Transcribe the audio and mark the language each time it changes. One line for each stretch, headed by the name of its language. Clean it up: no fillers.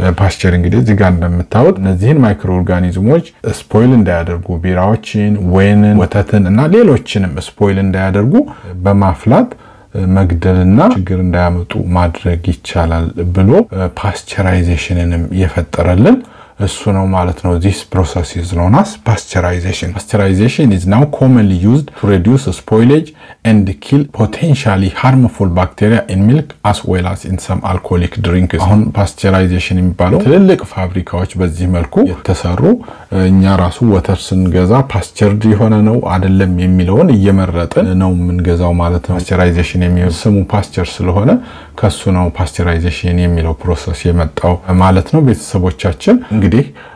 Amharic: ፓስቸር እንግዲህ እዚህ ጋር እንደምታውቁት እነዚህን ማይክሮኦርጋኒዝሞች ስፖይል እንዳያደርጉ ቢራዎችን፣ ወይንን፣ ወተትን እና ሌሎችንም ስፖይል እንዳያደርጉ በማፍላት መግደልና ችግር እንዳያመጡ ማድረግ ይቻላል ብሎ ፓስቸራይዜሽንንም የፈጠረልን እሱ ነው ማለት ነው።
English: This process is known as pasteurization. Pasteurization is now commonly used to reduce spoilage and kill potentially harmful bacteria in milk as well as in some alcoholic drinks.
Amharic: አሁን pasteurization የሚባለው ትልልቅ ፋብሪካዎች በዚህ መልኩ የተሰሩ እኛ ራሱ ወተር ስንገዛ pasteurized የሆነ ነው አይደለም የሚለውን እየመረጥን ነው ምንገዛው ማለት ነው። Pasteurization የሚለው ስሙ pasteur ስለሆነ ከሱ ነው pasteurization የሚለው process የመጣው ማለት ነው። ቤተሰቦቻችን እንግዲህ